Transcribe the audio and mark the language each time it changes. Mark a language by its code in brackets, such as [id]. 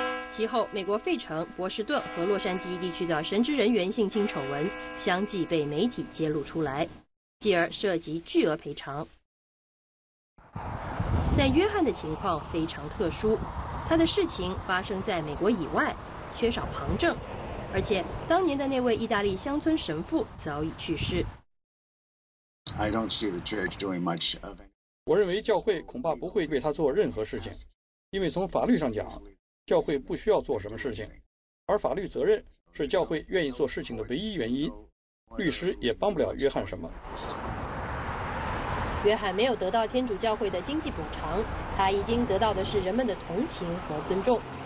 [zh] 其后，美国费城、波士顿和洛杉矶地区的神职人员性侵丑闻相继被媒体揭露出来，继而涉及巨额赔偿。但约翰的情况非常特殊，他的事情发生在美国以外，缺少旁证，而且当年的那位意大利乡村神父早已去世。 [en] I don't see the church doing much of it. [zh] 我认为教会恐怕不会为他做任何事情，因为从法律上讲，教会不需要做什么事情，而法律责任是教会愿意做事情的唯一原因，律师也帮不了约翰什么。约翰没有得到天主教会的经济补偿，他已经得到的是人们的同情和尊重。